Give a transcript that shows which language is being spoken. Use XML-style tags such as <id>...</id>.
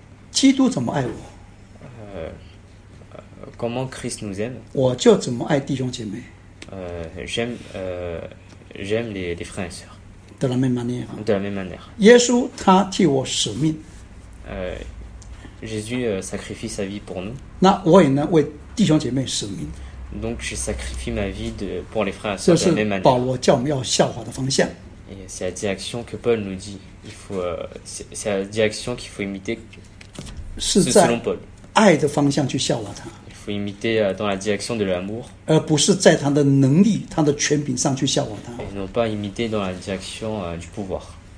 <zh>基督怎么爱我</zh> <fr>comment Christ nous aime.</fr> <zh>我就怎么爱弟兄姐妹.</zh> <fr>J'aime les frères et sœurs. De la même manière. De la même manière.</fr> <zh>耶稣他替我舍命.</zh> <fr>Jésus sacrifie sa vie pour nous.</fr> <zh>那我也能为弟兄姐妹舍命.</zh> <fr>Donc je sacrifie ma vie pour les frères et sœurs de la même manière.</fr> <zh>这是保罗叫我们要效法的方向.</zh> <fr>Et c'est la direction que Paul nous dit. Il faut, c'est la direction qu'il faut imiter. C'est il faut imiter dans la direction de l'amour. Et non pas imiter dans la direction du pouvoir.</fr>